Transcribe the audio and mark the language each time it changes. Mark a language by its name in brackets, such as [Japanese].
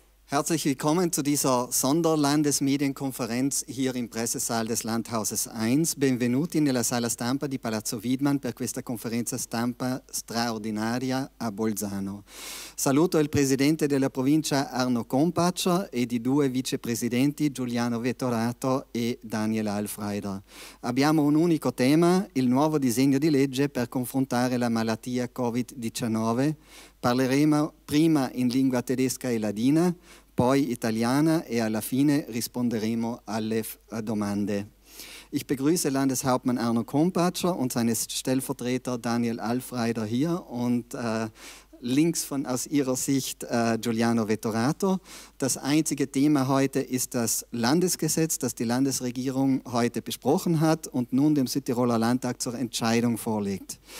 [German] Herzlich willkommen zu dieser Sonderlandesmedienkonferenz hier im Pressesaal des Landhauses 1. [Italian] Benvenuti nella sala stampa di Palazzo Widmann per questa conferenza stampa straordinaria a Bolzano. Saluto il presidente della provincia Arno Kompatscher e i due vicepresidenti Giuliano Vettorato e Daniel Alfreider. Abbiamo un unico tema, il nuovo disegno di legge per confrontare la malattia Covid-19. Parleremo prima in lingua tedesca e ladina, poi italiana e alla fine risponderemo alle domande. [German] Ich begrüße Landeshauptmann Arno Kompatscher und seinen Stellvertreter Daniel Alfreider hier und links von aus ihrer Sicht Giuliano Vettorato. Das einzige Thema heute ist das Landesgesetz, das die Landesregierung heute besprochen hat und nun dem Südtiroler Landtag zur Entscheidung vorlegt.